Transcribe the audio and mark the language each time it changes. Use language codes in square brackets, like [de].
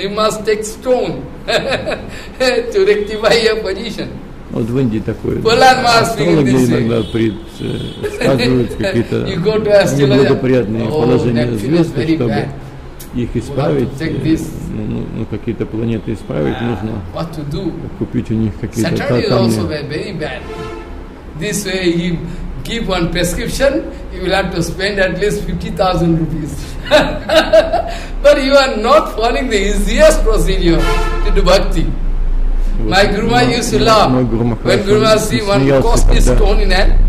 [en] You must take stone to rectify your position. [ru] Вот в Индии такое. Астрологи иногда сказывают какие-то неблагоприятные положения звезд, чтобы их исправить, ну какие-то планеты исправить нужно. Купить у них какие-то камни. [en] This way he give one prescription, you will have to spend at least 50,000 rupees. But you are not following the easiest procedure to do bhakti. My Guruma used to laugh. When Guruma see one costly stone in hand,